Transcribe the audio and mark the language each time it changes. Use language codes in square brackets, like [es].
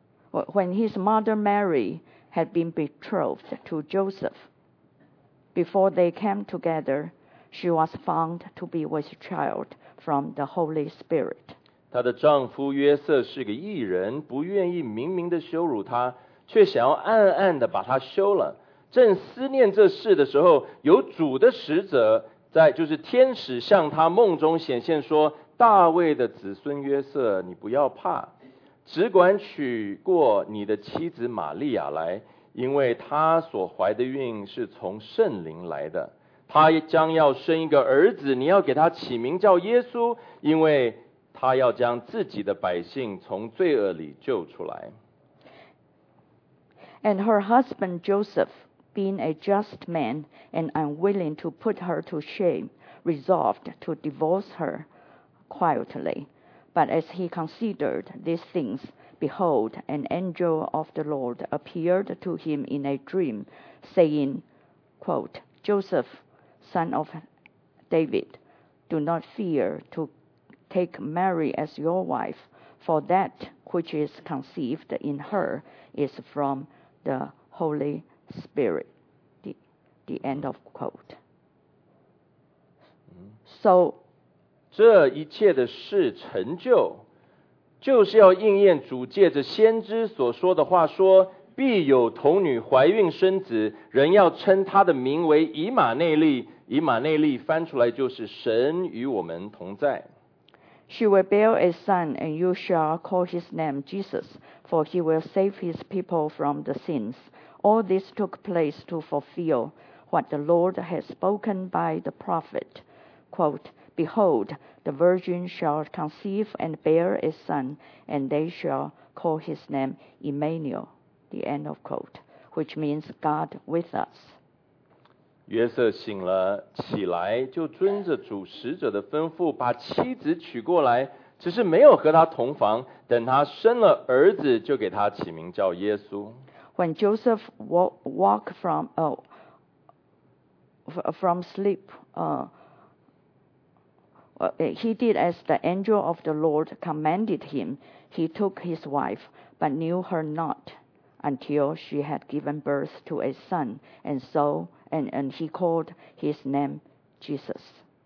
[en] When his mother Mary had been betrothed to Joseph, before they came together, she was found to be with child from the Holy Spirit. [zh] 她的丈夫约瑟是个义人，不愿意明明的羞辱她，却想要暗暗的把她休了。正思念这事的时候，有主的使者在，就是天使向他梦中显现说，大卫的子孙约瑟，你不要怕，只管娶过你的妻子玛利亚来，因为她所怀的孕是从圣灵来的，她将要生一个儿子，你要给他起名叫耶稣，因为他要将自己的百姓从罪恶里救出来。 [en] And her husband Joseph, being a just man and unwilling to put her to shame, resolved to divorce her quietly. But as he considered these things, behold, an angel of the Lord appeared to him in a dream, saying, quote, Joseph, son of David, do not fear to take Mary as your wife, for that which is conceived in her is from the Holy Spirit. The end of quote. So, [zh] 这一切的事成就，就是要应验主借着先知所说的话，说必有童女怀孕生子，人要称他的名为以马内利。以马内利翻出来就是神与我们同在。 [en] She will bear a son, and you shall call his name Jesus, for he will save his people from the sins. All this took place to fulfill what the Lord has spoken by the prophet. Quote, Behold, the virgin shall conceive and bear a son, and they shall call his name Emmanuel. The end of quote, which means God with us. [zh] 约瑟醒了起来，就遵着主使者的吩咐，把妻子娶过来，只是没有和他同房。等他生了儿子，就给他起名叫耶稣。 [en] When Joseph walked from sleep, he did as the angel of the Lord commanded him. He took his wife, but knew her not until she had given birth to a son, and he called his name Jesus.